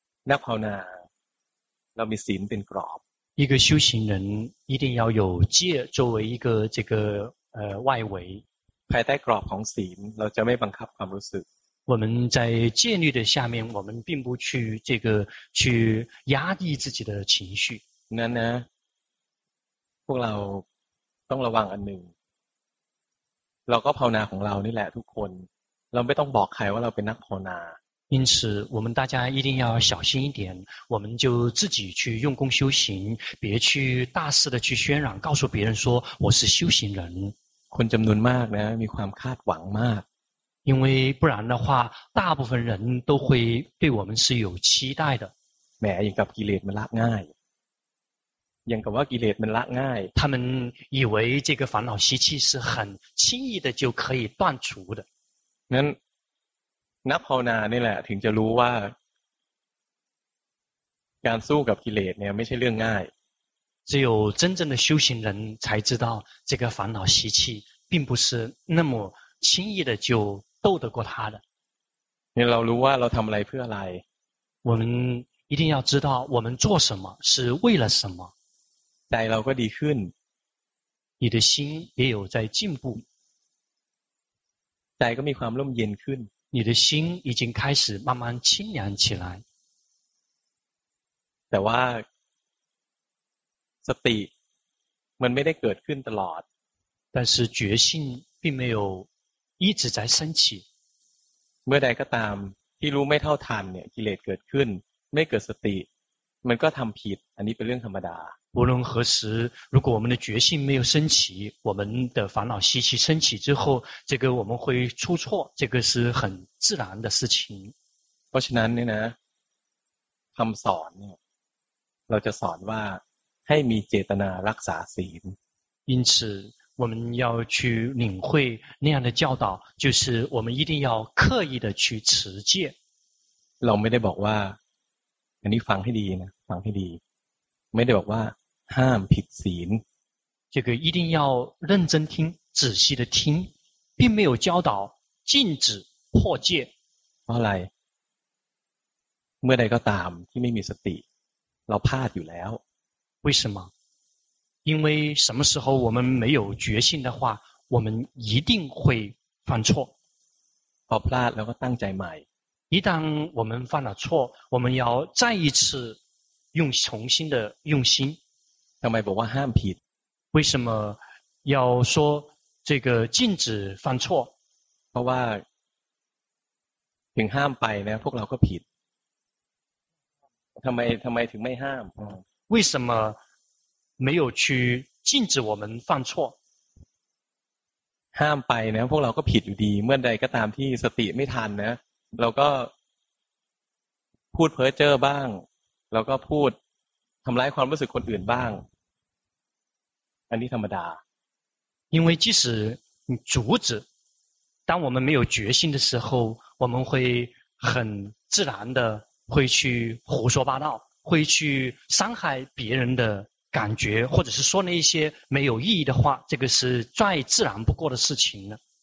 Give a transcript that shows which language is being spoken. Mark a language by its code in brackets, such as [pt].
[th] นักภาวนาเรามีศีลเป็นกรอบ [zh] 一个修行人一定要有戒作为一个这个外围 [th] ภายใต้กรอบของศีลเราจะไม่บังคับความรู้สึก [zh] 我们在戒律的下面我们并不去这个去压抑自己的情绪 [th] นั้นนะพวกเราต้องระวังอันหนึ่งเราก็ภาวนาของเรานี่แหละทุกคนเราไม่ต้องบอกใครว่าเราเป็นนักภาวนา [zh] 因此我们大家一定要小心一点我们就自己去用功修行别去大肆的去渲染告诉别人说我是修行人 [th] คนจำนวนมากนะมีความคาดหวังมาก [zh] 因为不然的话大部分人都会对我们是有期待的 [th] แหมอย่างกับกิเลสมันละง่ายอย่างกับว่ากิเลสมันละง่าย [zh] 他们以为这个烦恼习气是很轻易的就可以断除的 [th] งั้นนักภาวนานี่แหละถึงจะรู้ว่าการสู้กับกิเลสเนี่ยไม่ใช่เรื่องง่าย [zh] 只有真正的修行人才知道这个烦恼习气并不是那么轻易的就斗得过他的 [th] เนี่ยเรารู้ว่าเราทำอะไรเพื่ออะไร [zh] 我们一定要知道我们做什么是为了什么 [th] ใจเราก็ดีขึ้น [zh] 你的心也有在进步 [th] ใจก็มีความร่มเย็นขึ้น [zh] 你的心已经开始慢慢清凉起来 [th] แต่ว่าสติมันไม่ได้เกิดขึ้นตลอด [zh] 但是觉性并没有一直在升起 [th] เมื่อใดก็ตามที่รู้ไม่เท่าทันเนี่ยกิเลสเกิดขึ้นไม่เกิดสติมันก็ทำผิดอันนี้เป็นเรื่องธรรมดา [zh] 无论何时如果我们的觉性没有升起我们的烦恼习气升起之后这个我们会出错这个是很自然的事情。 [th] เพราะฉะนั้นเนี่ยนะคำสอนเนี่ยเราจะสอนว่าให้มีเจตนารักษาศีล [zh] 因此我们要去领会那样的教导就是我们一定要刻意的去持戒。 [th] เราไม่ได้บอกว่าอันนี้ฟังให้ดีนะฟังให้ดีไม่ได้บอกว่าห้ามผิดศีล [zh] 这个一定要认真听仔细的听并没有教导禁止破戒 [th] เพราะอะไรเมื่อใดก็ตามที่ไม่มีสติเราพลาดอยู่แล้ว [zh] 为什么因为什么时候我们没有决心的话我们一定会犯错 [th] พอพลาดแล้วก็ตั้งใจใหม่ [zh] 一旦我们犯了错我们要再一次用重新的用心 [th] ทำไมบอกว่าห้ามผิด [zh] 为什么要说这个禁止犯错 [th] เพราะว่าถึงห้ามไปนะพวกเราก็ผิดทำไมถึงไม่ห้าม [zh] 为什么没有去禁止我们犯错 [th] ห้ามไปนะพวกเราก็ผิดอยู่ดีเมื่อใดก็ตามที่สติไม่ทันนะเราก็พูดเพ้อเจ้อบ้างแล้วก็พูดทำร้ายความรู้สึกคนอื่นบ้างอันนี้ธรรมดา [zh] 因为即使阻止当我们没有决心的时候我们会很自然的会去胡说八道会去伤害别人的感觉或者是说那些没有意义的话这个是再自然不过的事情了